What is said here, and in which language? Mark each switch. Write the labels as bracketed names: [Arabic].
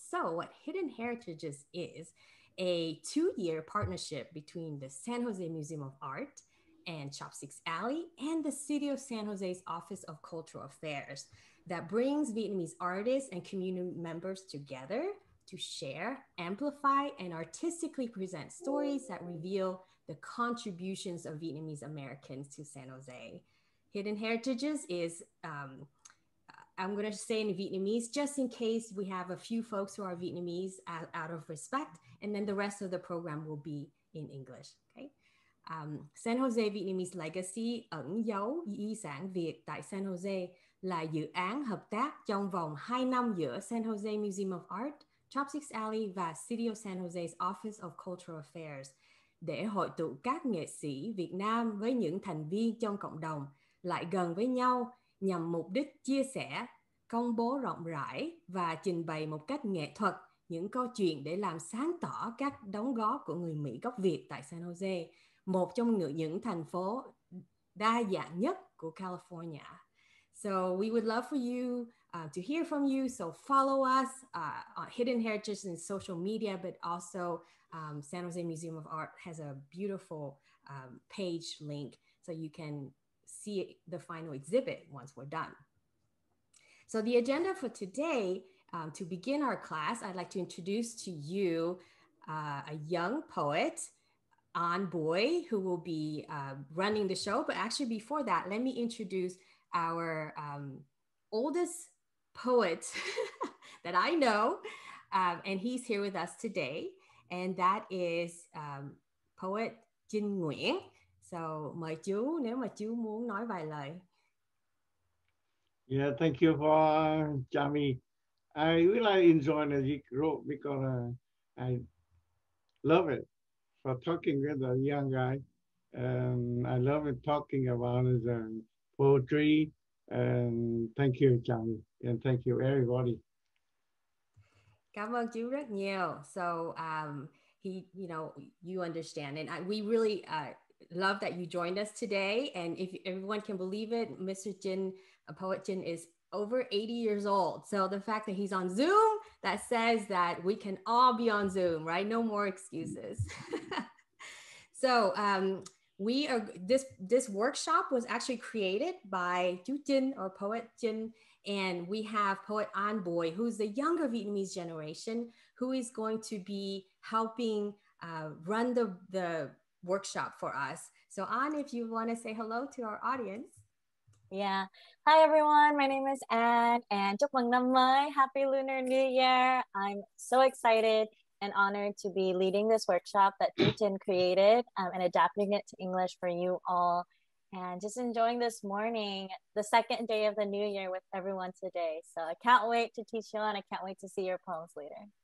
[English] So what Hidden Heritages is a two-year partnership between the San Jose Museum of Art and Chopsticks Alley and the City of San Jose's Office of Cultural Affairs that brings Vietnamese artists and community members together to share, amplify, and artistically present stories that reveal the contributions of Vietnamese Americans to San Jose. Hidden Heritages is, I'm going to say in Vietnamese, just in case we have a few folks who are Vietnamese out of respect, and then the rest of the program will be in English. Okay. [Vietnamese] San Jose Vietnamese Legacy ẩn dấu di sản Việt tại San Jose là dự án hợp tác trong vòng 2 năm giữa San Jose Museum of Art, Chopsticks Alley và City of San Jose's Office of Cultural Affairs để hội tụ các nghệ sĩ Việt Nam với những thành viên trong cộng đồng lại gần với nhau nhằm mục đích chia sẻ, công bố rộng rãi và trình bày một cách nghệ thuật những câu chuyện để làm sáng tỏ các đóng góp của người Mỹ gốc Việt tại San Jose, một trong những thành phố đa dạng nhất của California. [English] So we would love for you to hear from you. So follow us on Hidden Heritage in social media, but also San Jose Museum of Art has a beautiful page link so you can see the final exhibit once we're done. So the agenda for today, to begin our class, I'd like to introduce to you a young poet, An Bùi, who will be running the show. But actually before that, let me introduce our oldest poet that I know, and he's here with us today, and that is poet Chinh Nguyen. [Vietnamese] So, mời chú, nếu mà chú muốn nói vài lời. [English] Yeah, thank you for Jamie. I really enjoy the group because I love it for talking with a young guy. I love it talking about his poetry. And thank you, Jamie, and thank you, everybody. [Vietnamese] Cảm ơn chú rất nhiều. [English] So, you understand, and we really love that you joined us today. And if everyone can believe it, Mr. Jin, a poet Jin, is over 80 years old. So the fact that he's on Zoom, that says that we can all be on Zoom, right? No more excuses. So we are this workshop was actually created by Chu Jin or poet Jin, and we have poet An Bùi, who's the younger Vietnamese generation, who is going to be helping run the workshop for us. So An, if you want to say hello to our audience. Yeah. Hi everyone. My name is Anne and [Vietnamese] chúc mừng năm mới. [English] Happy Lunar New Year. I'm so excited and honored to be leading this workshop that Putin created and adapting it to English for you all. And just enjoying this morning, the second day of the new year with everyone today. So I can't wait to teach you and I can't wait to see your poems later.